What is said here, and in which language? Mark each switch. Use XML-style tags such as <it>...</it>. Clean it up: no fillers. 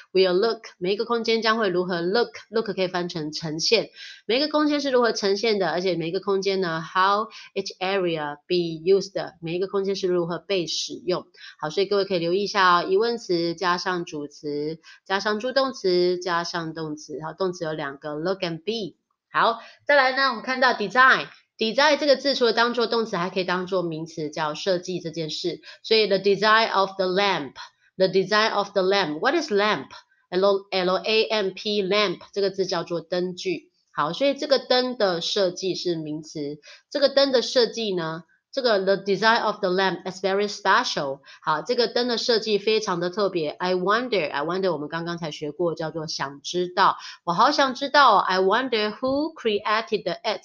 <zh>Will look 每一个空间将会如何 look 可以翻成呈现，每一个空间是如何呈现的，而且每一个空间呢</zh> <en>how each area be used</en> <zh>每一个空间是如何被使用。好，所以各位可以留意一下哦，疑问词加上主词加上助动词加上动词，然后动词有两个 look and be。好，再来呢，我们看到 design 这个字，除了当做动词，还可以当做名词，叫设计这件事。所以 the design of the lamp，the design of the lamp，</zh> <en>what is lamp？</en> <zh>L-L-A-M-P，lamp 这个字叫做灯具。好，所以这个灯的设计是名词。这个灯的设计呢？这个</zh> <en>the design of the lamp is very special。</en> <zh>好，这个灯的设计非常的特别。I wonder，我们刚刚才学过，叫做想知道。我好想知道。</zh> <en>I wonder who created the it。</en>